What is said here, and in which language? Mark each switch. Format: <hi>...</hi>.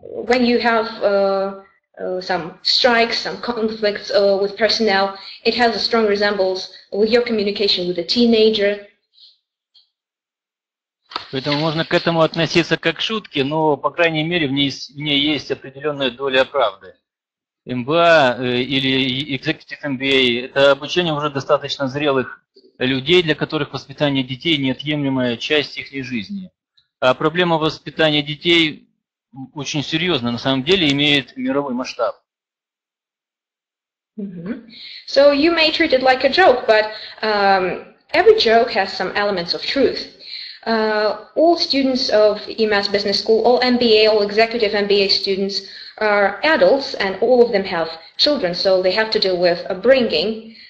<en>When you have some strikes, some conflicts with personnel, it has a strong resemblance with your communication with a teenager.</en> <ru>Поэтому можно к этому относиться как к шутке, но, по крайней мере, в ней есть определенная доля правды. MBA или Executive MBA – это обучение уже достаточно зрелых людей, для которых воспитание детей – неотъемлемая часть их жизни. А проблема воспитания детей очень серьезна, на самом деле имеет мировой масштаб.</ru> <en>So you may treat it like a joke, but every joke has some elements of truth. All students of EMAS Business School, all MBA, all executive MBA students are adults, and all of them have children, so they have to deal with upbringing.</en>